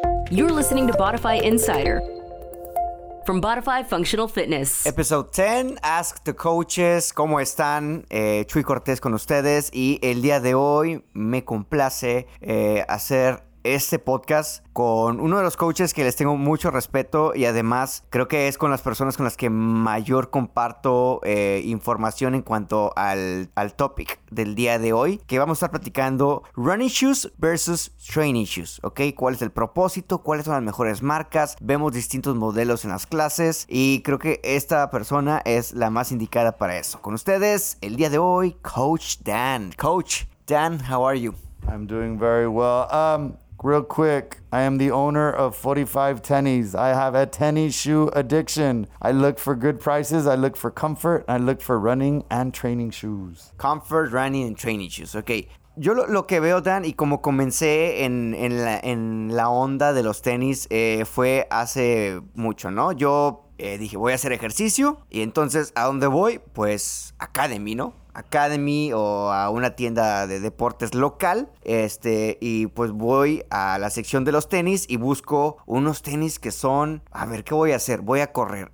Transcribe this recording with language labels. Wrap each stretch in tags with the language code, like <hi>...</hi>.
<en>You're listening to Bodify Insider from Bodify Functional Fitness. Episode 10, Ask the Coaches.</en> <es>¿Cómo están? Chuy Cortés con ustedes. Y el día de hoy me complace hacer este podcast con uno de los coaches que les tengo mucho respeto y además creo que es con las personas con las que mayor comparto información en cuanto al topic del día de hoy, que vamos a estar platicando</es> <en>running shoes versus training shoes,</en> <es>¿ok? ¿Cuál es el propósito? ¿Cuáles son las mejores marcas? Vemos distintos modelos en las clases y creo que esta persona es la más indicada para eso. Con ustedes, el día de hoy, Coach Dan.</es> <en>Coach Dan, how are you? I'm doing very well. Real quick, I am the owner of 45 Tennies. I have a tennis shoe addiction. I look for good prices. I look for comfort. I look for running and training shoes. Comfort, running, and training shoes. Okay.</en> <es>Yo lo que veo, Dan, y como comencé en la onda de los tenis, fue hace mucho, ¿no? Yo dije, voy a hacer ejercicio. Y entonces, ¿a dónde voy? Pues, Academy, ¿no? Academy o a una tienda de deportes local, y pues voy a la sección de los tenis y busco unos tenis que son, a ver, ¿qué voy a hacer? Voy a correr.</es>